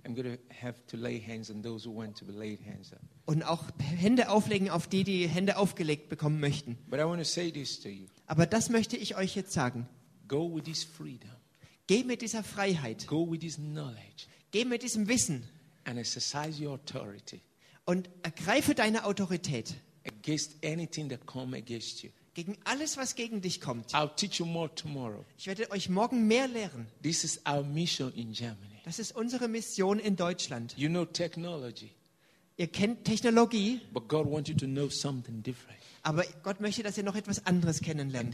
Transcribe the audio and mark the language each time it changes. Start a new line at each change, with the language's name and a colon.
English: I'm going to have to lay hands on those who want to be laid hands up.
German: Und auch Hände auflegen auf die, die Hände aufgelegt bekommen möchten.
English: But I want to say this to you.
German: Aber das möchte ich euch jetzt sagen.
English: Go with this freedom.
German: Geh mit dieser Freiheit.
English: Go with this knowledge.
German: Geh mit diesem Wissen.
English: And exercise your authority.
German: Und ergreife deine Autorität.
English: Against anything that comes against you.
German: Gegen alles, was gegen dich kommt.
English: I'll teach you more tomorrow.
German: Ich werde euch morgen mehr lehren.
English: This is our mission in Germany.
German: Das ist unsere Mission in Deutschland.
English: You know technology.
German: Ihr kennt Technologie.
English: But God wants you to know something different.
German: Aber Gott möchte, dass ihr noch etwas anderes kennenlernt.